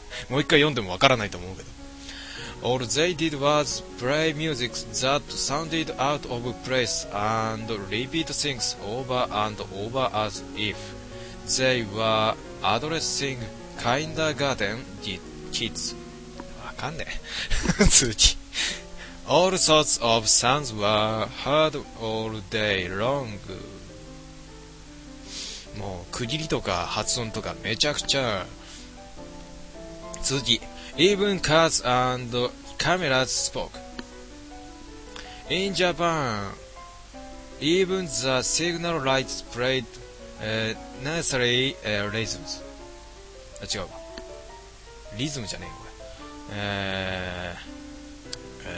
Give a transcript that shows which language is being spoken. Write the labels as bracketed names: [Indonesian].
[Japanese] もう一回読んでもわからないと思うけど。 [English] All they did was play music that sounded out of place and repeat things over and over as if they were addressing kindergarten kids. [Japanese] わかんねえ。続き。 [English] All sorts of sounds were heard all day long. [Japanese] もう区切りとか発音とかめちゃくちゃ。 [English] 続き、Even cars and cameras spoke. In Japan, even the signal lights played necessary rhythms. [Japanese] あ、違うわ。リズムじゃねえ、これ。